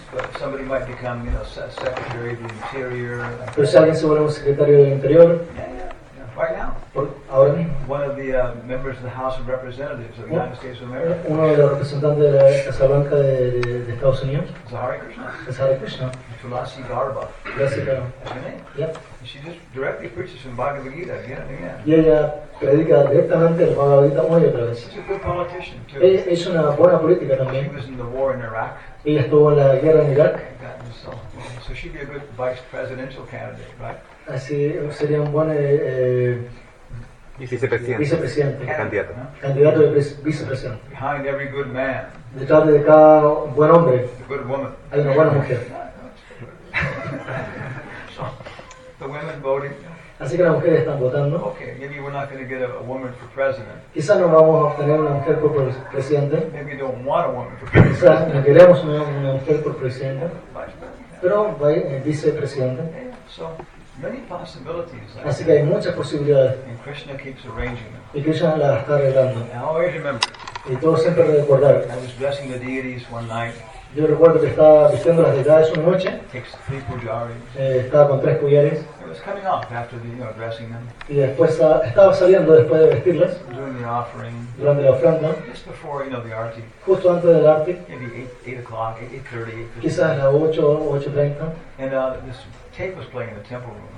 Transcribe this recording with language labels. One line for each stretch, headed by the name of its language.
English: But somebody might become, you know, secretary of the interior.
Spanish: Pero si alguien se vuelve un secretario del interior.
English: Right now,
Spanish: ahora mismo,
English: one of the members of the House of Representatives of the United States of America.
Spanish: Uno de los representantes de la Casa Blanca de Estados Unidos.
English: Zahari Krishna.
Spanish: Zahari Krishna.
English: Tulasi Garba.
Spanish: Tulasi Garba.
English: That's her name. Yep. She just directly preaches from Bhagavad Gita again and again.
Spanish: Y ella predica directamente el Bhagavad Gita una y otra vez.
English: She's a good politician too.
Spanish: Es una buena política también.
English: She was in the war in Iraq.
Spanish: Ella estuvo en la guerra en Irak.
English: So she'd be a good vice presidential candidate, right?
Spanish: Así sería un buen vicepresidente. Candidato. Candidato de vicepresidente.
English: Behind every good man.
Spanish: Detrás de cada buen hombre.
English: A good woman.
Spanish: Hay una buena mujer.
English: So, the women voting.
Spanish: Así que las mujeres están votando.
English: Okay, maybe we're not going to get a woman for president.
Spanish: Quizá no vamos a obtener una mujer por presidente.
English: Maybe we don't want a woman for president.
Spanish: Quizá no queremos una mujer por presidente. Pero vicepresidente.
English: So, many possibilities.
Spanish: Así que hay muchas posibilidades.
English: And Krishna keeps arranging them.
Spanish: Y Krishna las está arreglando.
English: And I always remember.
Spanish: Y todo siempre recordar.
English: I was blessing the deities one night.
Spanish: Yo recuerdo que estaba vistiendo las deidades una noche. Estaba con tres pulleres.
English: It was coming off after the, you know, dressing them.
Spanish: Y después estaba saliendo después de vestirlas.
English: During the offering.
Spanish: Durante la ofrenda.
English: Just before, you know, the arti.
Spanish: Justo antes del arti.
English: Maybe 8:00, 8:30.
Spanish: Quizás a 8:00, 8:30.
English: And this tape was playing in the temple room.